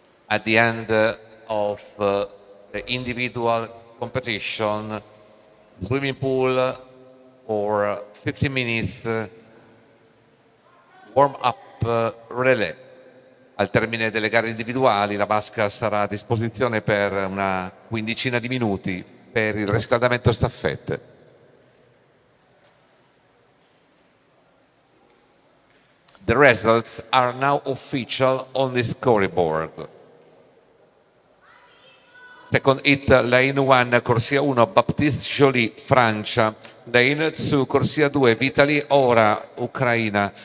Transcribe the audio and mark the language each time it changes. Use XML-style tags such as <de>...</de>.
<en>At the end of the individual competition, swimming pool for 50 minutes warm up relay.</en> <it>Al termine delle gare individuali la vasca sarà a disposizione per una quindicina di minuti per il riscaldamento staffette.</it> <en>The results are now official on the scoreboard. Second hit, lane 1,</en> <it>corsia 1,</it> <en>Baptiste Joly, Francia. Lane 2,</en> <it>corsia 2,</it> <en>Vitaly Ora, Ucraina.</en>